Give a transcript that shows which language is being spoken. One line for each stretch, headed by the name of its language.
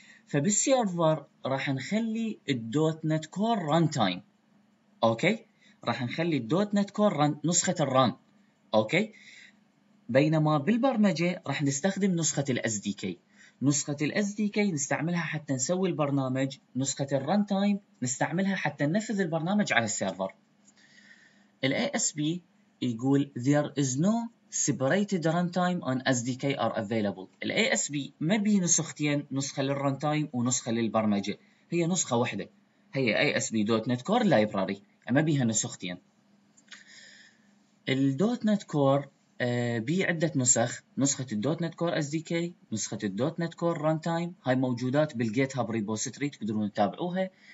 Arabic: فبالسيرفر راح نخلي الدوت نت كور ران تايم اوكي، راح نخلي الدوت نت كور نسخه الران اوكي. بينما بالبرمجه راح نستخدم نسخه الاس دي كي، نسخه الاس دي كي نستعملها حتى نسوي البرنامج، نسخه الران تايم نستعملها حتى ننفذ البرنامج على السيرفر. الاي اس بي يقول
English: there is no separated runtime on SDK are available.
Arabic: الاي اس بي ما بي نسختين، نسخه للران تايم ونسخه للبرمجه، هي نسخه واحده، هي اي اس بي دوت نت كور لايبراري، ما بيها نسختين. الدوت نت كور بي عده نسخ، نسخه الدوت نت كور اس دي كي، نسخه الدوت نت كور ران تايم، هاي موجودات بالجيت هاب ريبوزيتوري تقدرون تتابعوها.